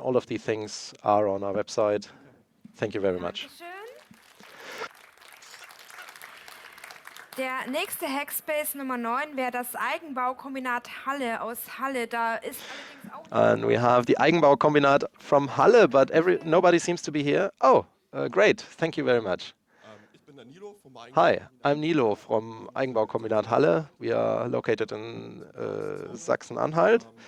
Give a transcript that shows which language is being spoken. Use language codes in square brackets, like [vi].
[en] All of these things are on our website. Thank you very much. [de] Der nächste Hackspace Nummer 9 wäre das Eigenbaukombinat Halle aus Halle. Da ist [en] And we have the Eigenbaukombinat from Halle, but nobody seems to be here. Oh, great. Thank you very much. Hi, I'm Nilo from Eigenbaukombinat Halle. We are located in Sachsen-Anhalt.